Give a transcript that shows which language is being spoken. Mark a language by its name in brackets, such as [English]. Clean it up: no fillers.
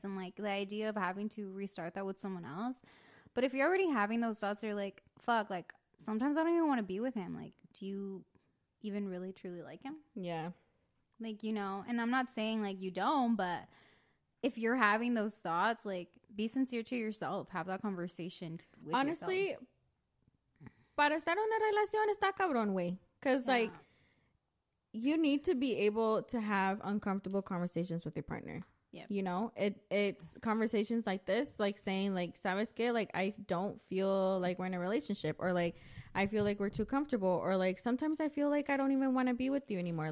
[English] And, like, the idea of having to restart that with someone else. But if you're already having those thoughts, you're like, fuck, like, sometimes I don't even want to be with him. Like, do you even really truly like him? Yeah. Like, you know, and I'm not saying, like, you don't, but if you're having those thoughts, like, be sincere to yourself. Have that conversation with honestly, yourself. [Spanish] Honestly, para estar en una relación está cabrón, güey. [English] Because, yeah, like, you need to be able to have uncomfortable conversations with your partner. Yeah. You know, it's conversations like this, like saying, like, [Spanish] sabes que, [English] like, I don't feel like we're in a relationship, or like, I feel like we're too comfortable, or like, sometimes I feel like I don't even want to be with you anymore.